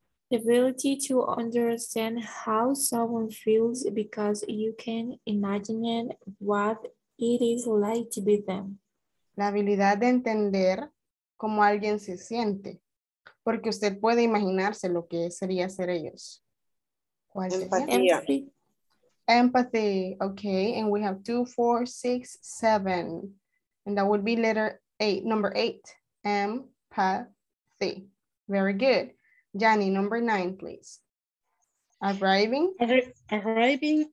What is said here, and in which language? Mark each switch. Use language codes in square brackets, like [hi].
[en] The ability to understand how someone feels because you can imagine what it is like to be them. [es] La habilidad de entender cómo alguien se siente, porque usted puede imaginarse lo que sería ser ellos. ¿Cuál sería? [en] Empathy, okay, and we have 2, 4, 6, 7, and that would be number eight, empathy. Very good. Jani, number 9, please. Arriving